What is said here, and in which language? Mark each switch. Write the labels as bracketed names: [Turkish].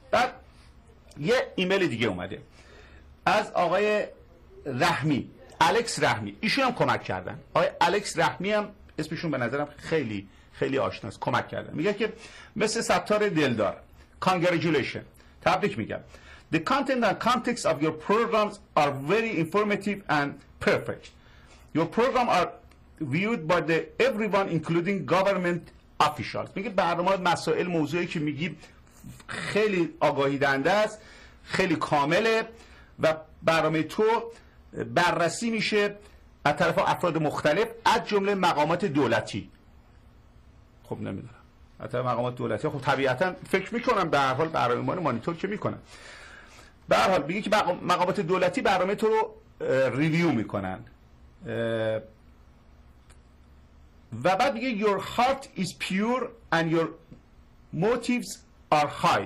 [Persian] بعد یه ایمیل دیگه اومده از آقای رحمی، الکس رحمی، ایشون هم کمک کردن. آقای الکس رحمی هم اسمشون به نظرم خیلی خیلی آشناست، کمک کردن. میگه که مثل ستار دلدار، congratulations، تبریک میگم. [English] The content and context of your programs are very informative and perfect. Your program are viewed by the everyone including government officials. [Persian] میگه برنامه مسائل موضوعی که میگی خیلی آگاهی دهنده است، خیلی کامله و برنامه تو بررسی میشه از طرف افراد مختلف از جمله مقامات دولتی. خب نمیدونم حتی مقامات دولتی، خب طبیعتا فکر میکنم به هر حال برنامه ما رو مانیتور که میکنن، به هر حال میگه که مقامات دولتی برنامه تو رو ریویو میکنن و بعد میگه [English] your heart is pure and your motives are high.